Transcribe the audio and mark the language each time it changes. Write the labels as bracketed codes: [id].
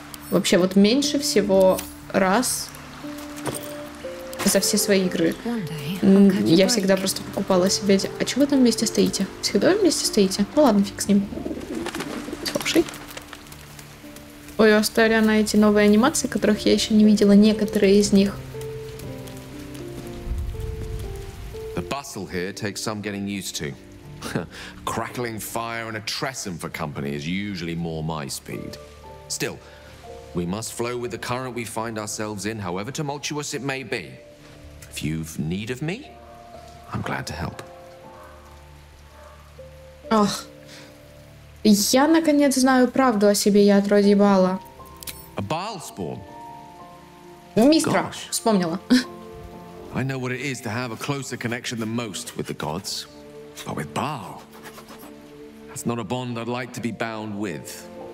[ru] Вообще вот меньше всего раз за все свои игры. Я всегда просто покупала себе... А чего вы там вместе стоите? Всегда вы вместе стоите? Ну ладно, фиг с ним. Слушай. Ой, оставлю на эти новые анимации, которых я еще не видела, некоторые из них. [en] The bustle here takes some getting used to. Crackling fire and a tressum for company is usually more my speed. Still, we must flow with the current we find ourselves in, however tumultuous it may be. If you've need of me, I'm glad to help. Ох. [ru] Я наконец знаю правду о себе, я отродье Бала. [en] A Baalspawn? [ru] Мистра, вспомнила. [en] I know what it is to have a closer connection than most with the gods. But with Baal, that's not a bond I'd like to be bound with.